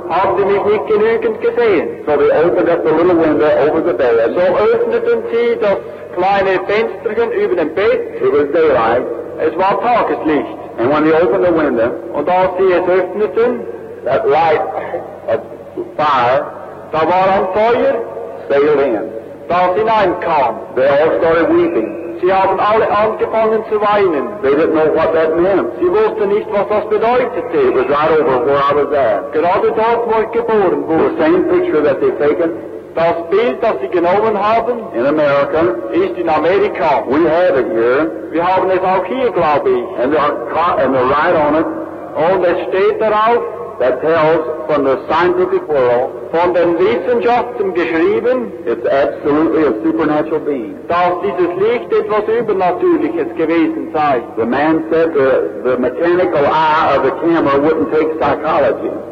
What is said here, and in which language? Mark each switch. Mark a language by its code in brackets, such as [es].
[de] Haben mich nicht genügend gesehen. [en] So they opened up the little window over the bed. [de] So öffneten sie das kleine Fensterchen über dem Bett. [en] It was daylight. [de] Es war Tageslicht. [en] And when they opened the window, [de] und als sie es öffneten, [en] that light, that fire, [de] da war ein Feuer, [en] sailed in. [de] Das hineinkam. [en] They all started weeping. [de] Sie haben alle angefangen zu weinen. [en] They didn't know what that meant. [de] Sie wussten nicht, was das bedeutete. [en] It was right over where I was at. [de] Gerade dort, wo ich geboren wurde. [en] The same picture that they've taken. [de] Das Bild, das sie genommen haben, [en] in America, [de] ist in Amerika. [en] We have it here. [de] Wir haben es auch hier, glaube ich. [en] And they're right on it. [de] Und es steht darauf, [en] that tells from the scientific world, [de] von den Wissenschaften geschrieben, [en] it's absolutely a supernatural being. [de] Dass dieses Licht etwas Übernatürliches gewesen sei. [en] The man said the mechanical eye of the camera wouldn't take psychology.